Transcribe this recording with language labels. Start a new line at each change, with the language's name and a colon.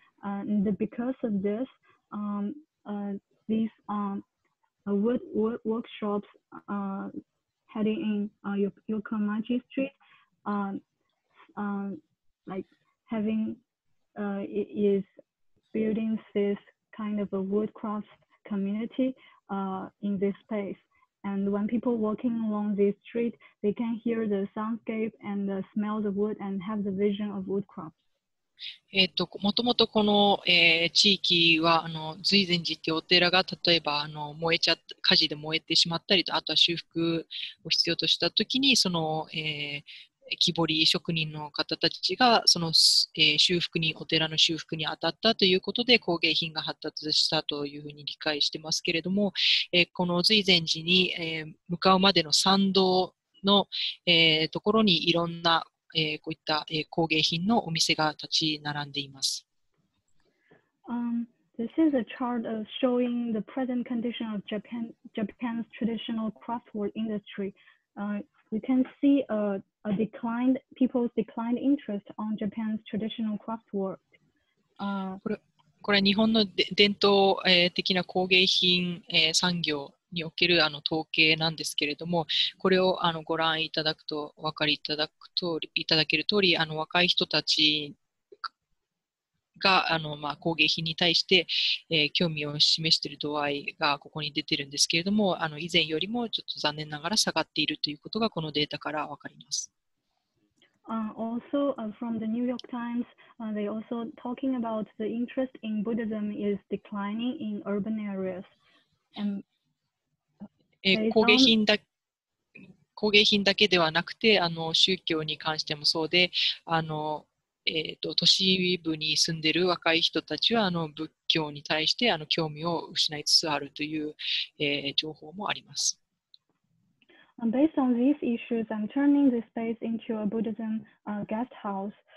English: And because of this, these wood workshops heading in Yokomachi Street, like having is building this kind of a woodcraft community in this space. And when people walking along this street, they can hear the soundscape and the smell of wood and have the vision of woodcraft.
Japanese: もともとこの、地域は瑞禅寺というお寺が例えば燃えちゃった火事で燃えてしまったりとあとは修復を必要としたときにその、木彫り職人の方たちがその、修復にお寺の修復に当たったということで工芸品が発達したというふうに理解してますけれども、この瑞禅寺に、向かうまでの参道の、ところにいろんな、こういった、工芸品のお店が立ち並んでいます。
English: The This is a chart of showing the present condition of Japan's traditional craftwork industry. You can see a declined people's declined interest on Japan's traditional craftwork.
Japanese: これ日本の伝統的な工芸品産業におけるあの統計なんですけれども、これをあのご覧いただくと分かりいただく通り、いただける通り、あの若い人たちがあのまあ工芸品に対して興味を示している度合いがここに出てるんですけれども、あの以前よりもちょっと残念ながら下がっているということがこのデータから分かります。
English: Also, from the New York Times, they also talking about the interest in Buddhism is declining in urban areas.
Japanese: And 工芸品だけではなくて、あの宗教に関してもそうで、あの都市部に住んでる若い人たちはあの仏教に対してあの興味を失いつつあるという、情報もあります。
English: Based on these issues, I'm turning this space into a Buddhism guest house.